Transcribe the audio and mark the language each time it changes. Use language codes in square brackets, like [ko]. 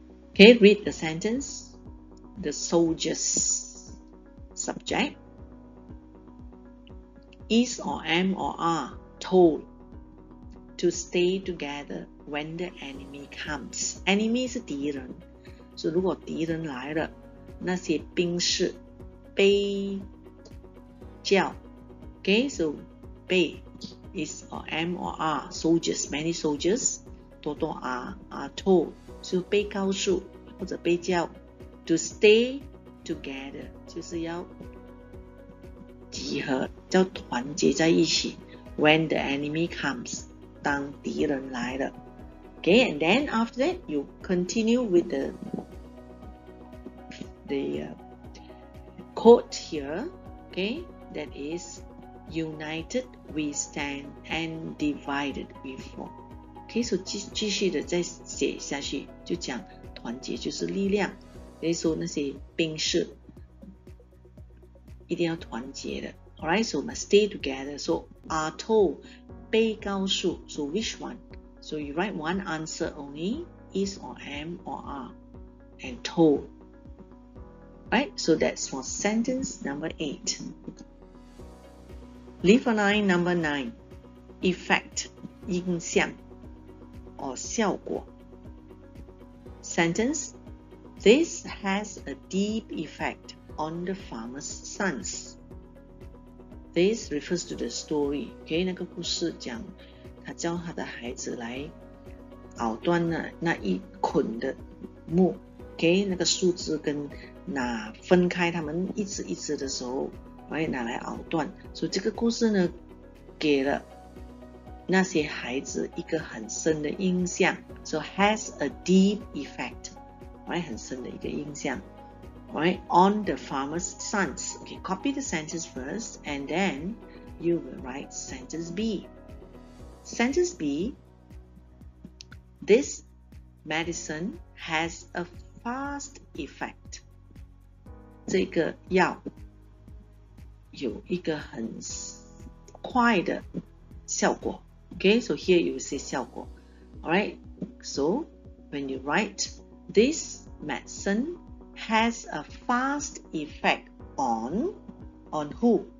[en] Okay, read the sentence. The soldiers. Subject. Is or am or are told to stay together when the enemy comes. [zh] Enemy 是敌人。 [en] So [zh] 如果敌人来了，那些兵士被叫。 [en] Okay, so bay is or am or are soldiers, many soldiers, [zh] 多多 [en] are told, so [zh] 被告诉或者被叫 [en] to stay together, [zh] 就是要集合要团结在一起 [en] when the enemy comes, [zh] 当敌人来了 [en] Okay, and then after that, you continue with the quote here, okay, that isUnited we stand and divided we fall. Okay, so [zh] 继续的再写下去，就讲团结就是力量。所以说那些兵士一定要团结的。 [en] Alright, so must stay together. So are told, [zh] 被告诉。 [en] So which one? So you write one answer only, is or am or are, and told. Right, so that's for sentence number 8. Leave a line number 9. Effect, 影响, or 效果. Sentence, this has a deep effect on the farmer's sons. This refers to the story. Okay, [zh] 那个故事讲, 他叫他的孩子来咬断了那一捆的木. [en] Okay, [zh] 那个树枝跟 拿分开他们一只一只的时候，把它拿来咬断。所以这个故事呢， 给了那些孩子一个很深的印象。 [en] So has a deep effect， right? [zh] 很深的一个印象， [en] right? On the farmer's sons. Okay, copy the sentence first, and then you will write sentence B. Sentence B, this medicine has a fast effect. [zh] 这个药有一个很快的效果。 [en] Okay, so here you say 效果。 Alright, so when you write, this medicine has a fast effect on who?